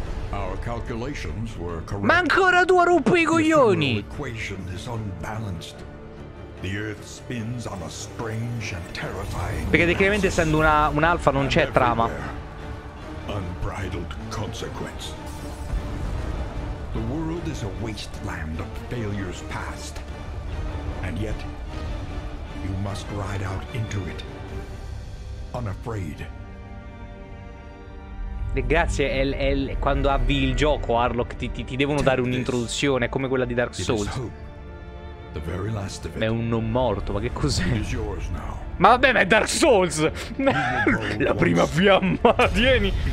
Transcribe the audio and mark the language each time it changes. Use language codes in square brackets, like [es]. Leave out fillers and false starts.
[en] Our calculations were correct. [it] Ma ancora tu a rompere i coglioni! [en] The equation is unbalanced. The earth spins on a strange and terrifying. [it] Perché tecnicamente essendo un alfa non c'è trama. [en] Unbridled consequence. The world is a wasteland of failures past. And yet you must ride out into it. Unafraid. [it] Grazie, quando avvi il gioco, Harlock, ti devono dare un'introduzione, come quella di Dark Souls. Ma è un non morto, ma che cos'è? Ma vabbè, ma è Dark Souls! La prima fiamma, tieni!